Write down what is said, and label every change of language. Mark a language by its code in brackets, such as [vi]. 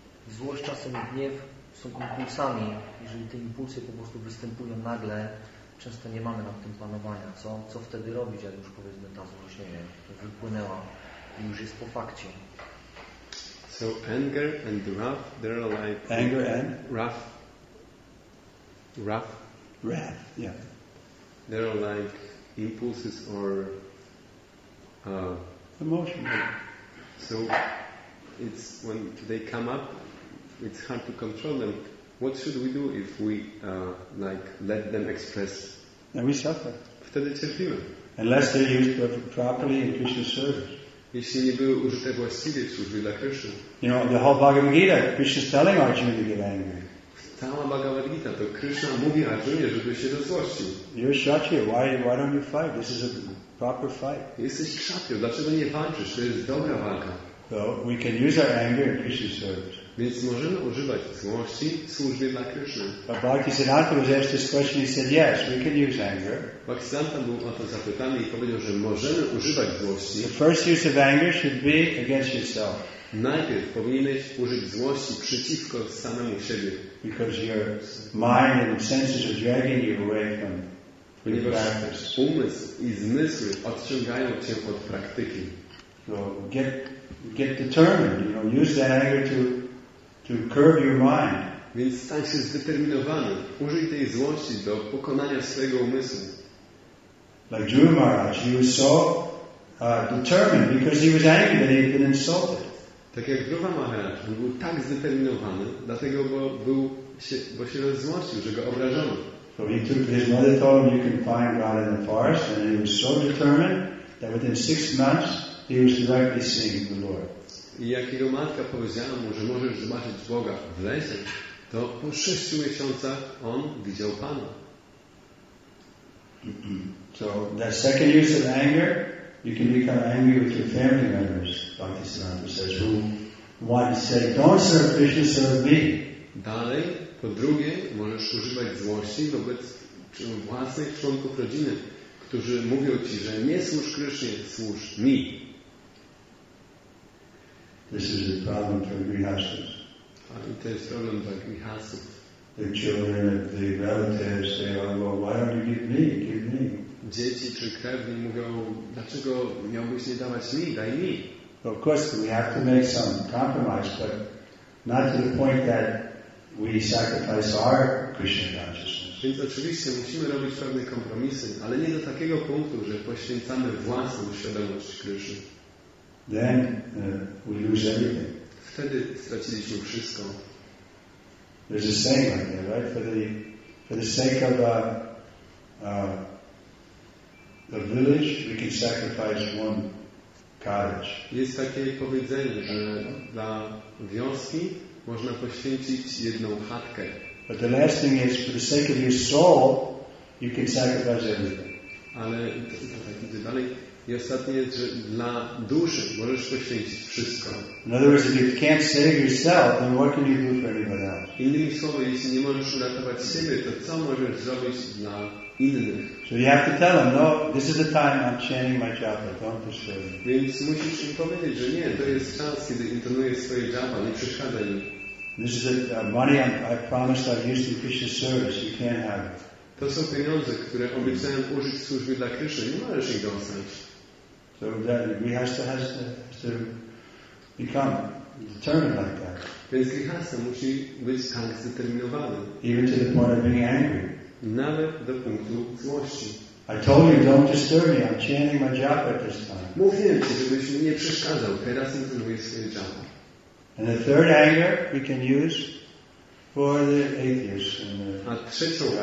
[pl] Złość, czasem gniew są impulsami. Jeżeli te impulsy po prostu występują nagle, często nie mamy nad tym panowania. Co wtedy robić, jak już powiedzmy ta złość, nie wiem, wypłynęła i już jest po fakcie? [en] So anger and wrath, they're like anger and wrath. Wrath. Wrath. Yeah. They're like impulses or emotions. So it's when they come up, it's hard to control them. What should we do if we like let them express? Then we suffer. [pl] Wtedy cierpimy. [en] Unless they're used properly in Krishna service. [pl] Jeśli nie były użyte właściwie w służbie dla Krishna. [en] You know, the whole Bhagavad Gita, Krishna's telling Arjuna to get angry. [pl] Cała Bhagavad Gita, to Krishna mówi Arjunie, żeby się rozłościł. [en] You're kshatriya, why don't you fight? This is a proper fight. [pl] Jesteś kshatriya, dlaczego nie walczysz? To jest dobra walka. [en] So we can use our anger in Krishna's service. [pl] Więc możemy używać złości w służbie dla Krishna. [en] But Bhaktisiddhanta was asked this question, he said, yes, we can use anger. [pl] Bhaktisiddhanta był o to zapytany i powiedział, że możemy używać złości. [en] The first use of anger should be against yourself. [pl] Najpierw powinieneś użyć złości przeciwko samemu siebie. [en] Because your mind and senses are dragging you away from practice. [pl] Umysł i zmysły odciągają cię od praktyki. [en] So get determined, you know, use that anger to curb your mind. [pl] Więc stań się zdeterminowany. Użyj tej złości do pokonania swojego umysłu. [en] Like Dhruva Maharaj, he was so determined because he was angry that he had been insulted. [pl] Tak jak Dhruva Maharaj, on był tak zdeterminowany, dlatego bo się rozzłościł, że go obrażono. [en] So he took his mother told him you can find God in the forest, and he was so determined that within 6 months he was directly seeing the Lord. [pl] I jak jego matka powiedziała mu, że możesz zobaczyć Boga w lesie, to po 6 miesiącach on widział Pana. [en] So the second use of anger, you can become angry with your family members, Bhaktisiddhanta says, who want to say, don't serve Krishna, serve me. [pl] Dalej, po drugie, możesz używać złości wobec własnych członków rodziny, którzy mówią ci, że nie służ Krishnie, służ mi. [en] This is a problem for grihasthas. [pl] I to jest problem dla grihasthów. [en] The children and the relatives say, well, why don't you give me? Give me. [pl] Dzieci czy krewni mówią, dlaczego miałbyś nie dawać mi? Daj mi. [en] Of course, we have to make some compromise, but not to the point that we sacrifice our Krishna consciousness. [pl] Więc oczywiście musimy robić pewne kompromisy, ale nie do takiego punktu, że poświęcamy własną świadomość Krishna. [en] Then we lose everything. [pl] Wtedy straciliśmy wszystko. [en] There's a saying like that, right? For the sake of the village, we can sacrifice one cottage. [pl] Jest takie powiedzenie, że dla wioski można poświęcić jedną chatkę. [en] But the last thing is, for the sake of your soul, you can sacrifice everything. [pl] Ale tak idzie dalej. I ostatnie jest, że dla duszy możesz poświęcić wszystko. [en] In other words, if you can't save yourself, then what can you do for anybody else? [pl] Innymi słowy, jeśli nie możesz uratować siebie, to co możesz zrobić dla innych? [en] So you have to tell them, no, this is the time I'm chanting my japa, don't disturb me. [pl] Więc musisz im powiedzieć, że nie, to jest czas, kiedy intonuję swoje japa, nie przeszkadzaj mi. [en] This is the money I promised I'd use in Krishna service, you can't have it. [pl] To są pieniądze, które obiecałem użyć w służbie dla Krishna, nie możesz ich dostać. [en] So that grihastha has to become determined like that. [pl] Więc grihastha musi być tak zdeterminowany. [en] Even to the point of being angry. [pl] Nawet do punktu złości. [en] I told you, don't disturb me. I'm chanting my japa at this time. [pl] Mówiłem ci, żebyś mi nie przeszkadzał. Teraz intonuję swoje japa. [en] And the third anger we can use for the atheists and the